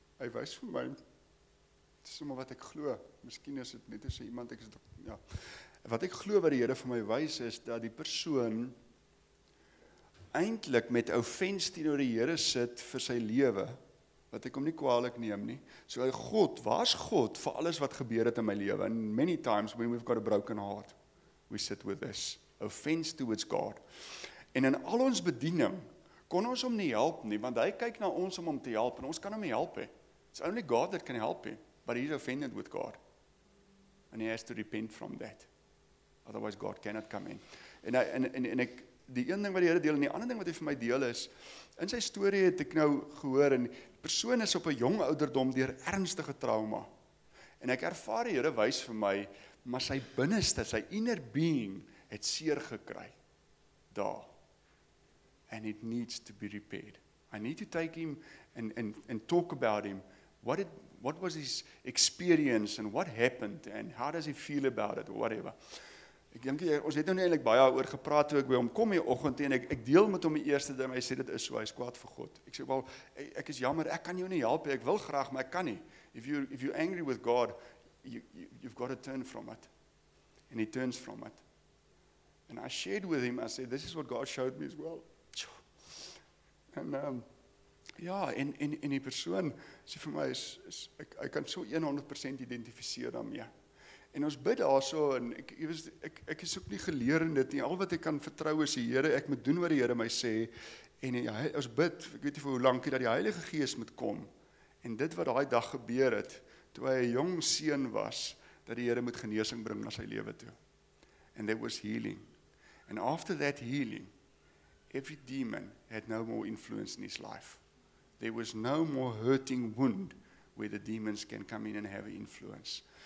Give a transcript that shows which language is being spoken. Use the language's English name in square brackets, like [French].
[Afrikaans] Hy wys vir my, dit is sommer wat ek glo. Miskien is dit net as iemand, ek is dit, ja. Wat ek glo wat die Here vir my wys is, dat die persoon eintlik met offense teenoor die Here sit vir sy lewe, wat ek hom nie kwaalik neem nie. So, God, waar is God vir alles wat gebeur het in my lewe? [English] And many times when we've got a broken heart, we sit with this. Offense towards God. [Afrikaans] En in al ons bediening, kon ons hom nie help nie, want hy kyk na ons om hom te help, en ons kan hom nie help. [English] It's only God that can help him, but he's offended with God. And he has to repent from that. Otherwise God cannot come in. [Afrikaans] Die een ding wat die Here deel, en die ander ding wat hy vir my deel is, in sy story het ek nou gehoor, en die persoon is op 'n jong ouderdom deur ernstige trauma. En ek ervaar die Here wys vir my, maar sy binneste, sy inner being, het seer gekry. Daar. [English] And it needs to be repaired. I need to take him and talk about him. What was his experience and what happened and how does he feel about it or whatever. [Afrikaans] Ek dink ons het nou nie eintlik baie oor gepraat toe ek by hom kom hier oggend en ek deel met hom die eerste ding, hy sê dit is so, hy is kwaad vir God. Ek sê wel, ek is jammer, ek kan jou nie help, ek wil graag, maar ek kan nie. [English] If you're angry with God, you've got to turn from it. And he turns from it. And I shared with him, I said, this is what God showed me as well. [Afrikaans] En die persoon sê vir my, ek kan so 100% identifiseer daarmee. En ons bid daarso, en ek is ook nie geleer in dit nie, al wat ek kan vertrou is die Here, ek moet doen wat die Here my sê, en ons bid, ek weet nie vir hoe lankie, dat die Heilige Gees moet kom, en dit wat daai dag gebeur het, toe hy 'n jong seun was, dat die Here moet genesing bring na sy lewe toe. [English] And there was healing. And after that healing, every demon had no more influence in his life. There was no more hurting wound where the demons can come in and have influence.